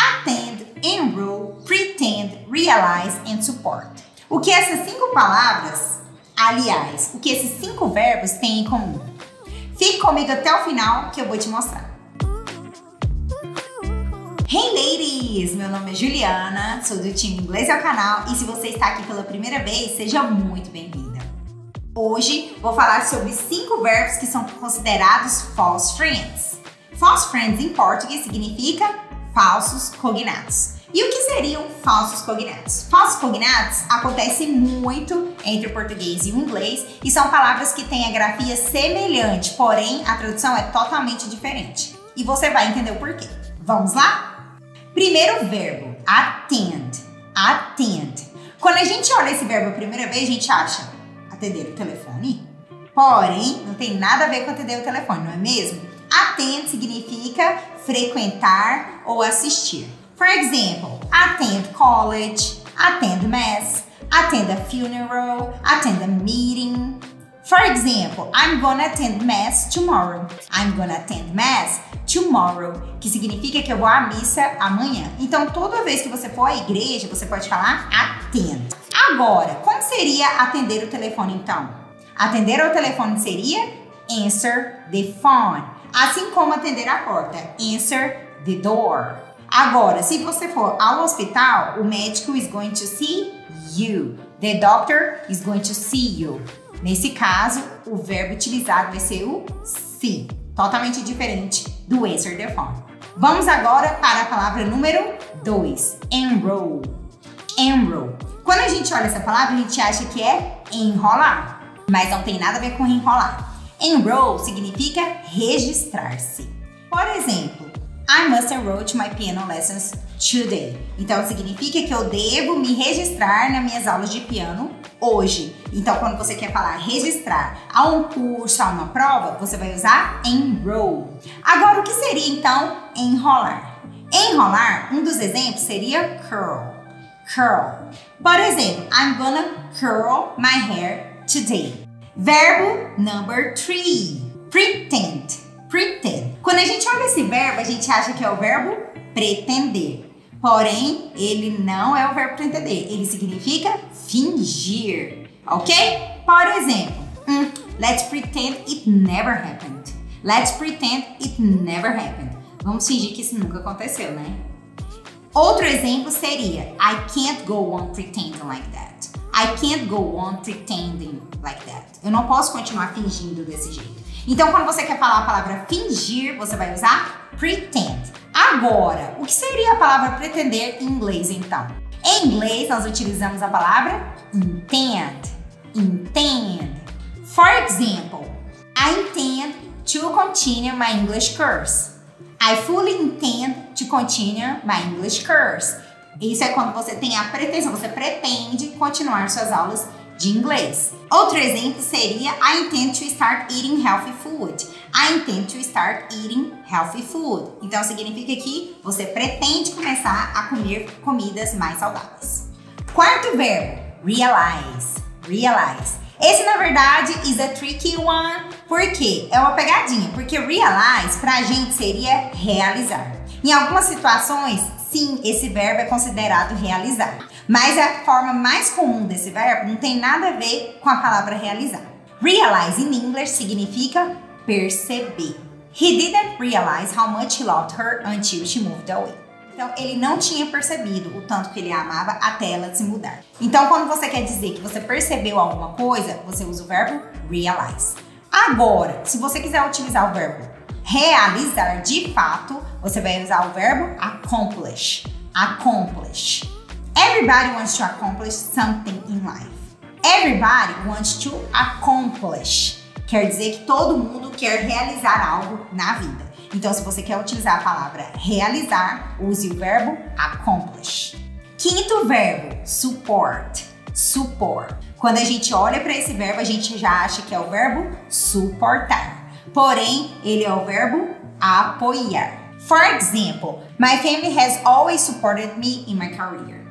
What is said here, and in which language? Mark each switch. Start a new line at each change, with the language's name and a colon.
English: attend, enroll, pretend, realize and support.
Portuguese: O que essas cinco palavras, aliás, o que esses cinco verbos têm em comum? Fique comigo até o final que eu vou te mostrar. Hey ladies, meu nome é Juliana, sou do time Inglês ao Canal e se você está aqui pela primeira vez, seja muito bem-vinda. Hoje vou falar sobre cinco verbos que são considerados false friends. False friends em português significa falsos cognatos. E o que seriam falsos cognatos? Falsos cognatos acontecem muito entre o português e o inglês e são palavras que têm a grafia semelhante, porém a tradução é totalmente diferente. E você vai entender o porquê. Vamos lá? Primeiro verbo, attend. Attend. Quando a gente olha esse verbo a primeira vez, a gente acha atender o telefone. Porém, não tem nada a ver com atender o telefone, não é mesmo? Attend significa frequentar ou assistir.
English: For example, attend college, attend mass, attend a funeral, attend a meeting. For example, I'm gonna attend mass tomorrow. I'm gonna attend mass tomorrow,
Portuguese: que significa que eu vou à missa amanhã. Então, toda vez que você for à igreja, você pode falar attend. Agora, como seria atender o telefone, então? Atender o telefone seria
English: answer the phone.
Portuguese: Assim como atender a porta,
English: answer the door.
Portuguese: Agora, se você for ao hospital, o médico
English: is going to see you. The doctor is going to see you.
Portuguese: Nesse caso, o verbo utilizado vai ser o see. Totalmente diferente do
English: answer the phone.
Portuguese: Vamos agora para a palavra número 2. Enroll. Enroll. Quando a gente olha essa palavra, a gente acha que é enrolar. Mas não tem nada a ver com enrolar. Enroll significa registrar-se. Por exemplo,
English: I must enroll to my piano lessons today.
Portuguese: Então, significa que eu devo me registrar nas minhas aulas de piano hoje. Então, quando você quer falar registrar a um curso, a uma prova, você vai usar enroll. Agora, o que seria, então, enrolar? Enrolar, um dos exemplos seria curl. Curl. Por exemplo,
English: I'm gonna curl my hair today.
Portuguese: Verbo number 3, pretend, pretend. Quando a gente olha esse verbo, a gente acha que é o verbo pretender. Porém, ele não é o verbo pretender, ele significa fingir, ok? Por exemplo,
English: let's pretend it never happened. Let's pretend it never happened.
Portuguese: Vamos fingir que isso nunca aconteceu, né? Outro exemplo seria,
English: I can't go on pretending like that. I can't go on pretending like that.
Portuguese: Eu não posso continuar fingindo desse jeito. Então, quando você quer falar a palavra fingir, você vai usar pretend. Agora, o que seria a palavra pretender em inglês, então? Em inglês, nós utilizamos a palavra intend. Intend.
English: For example, I intend to continue my English course. I fully intend to continue my English course.
Portuguese: Isso é quando você tem a pretensão, você pretende continuar suas aulas de inglês. Outro exemplo seria,
English: I intend to start eating healthy food. I intend to start eating healthy food.
Portuguese: Então, significa que você pretende começar a comer comidas mais saudáveis. Quarto verbo, realize. Realize. Esse, na verdade,
English: is a tricky one.
Portuguese: Por quê? É uma pegadinha. Porque realize, pra gente, seria realizar. Em algumas situações, sim, esse verbo é considerado realizar. Mas a forma mais comum desse verbo não tem nada a ver com a palavra realizar. Realize
English: in English
Portuguese: significa perceber.
English: He didn't realize how much he loved her until she moved away.
Portuguese: Então, ele não tinha percebido o tanto que ele a amava até ela se mudar. Então, quando você quer dizer que você percebeu alguma coisa, você usa o verbo realize. Agora, se você quiser utilizar o verbo realizar de fato, você vai usar o verbo accomplish. Accomplish.
English: Everybody wants to accomplish something in life. Everybody wants to accomplish.
Portuguese: Quer dizer que todo mundo quer realizar algo na vida. Então, se você quer utilizar a palavra realizar, use o verbo accomplish. Quinto verbo, support. Support. Quando a gente olha para esse verbo, a gente já acha que é o verbo suportar. Porém, ele é o verbo apoiar.
English: For example, my family has always supported me in my career.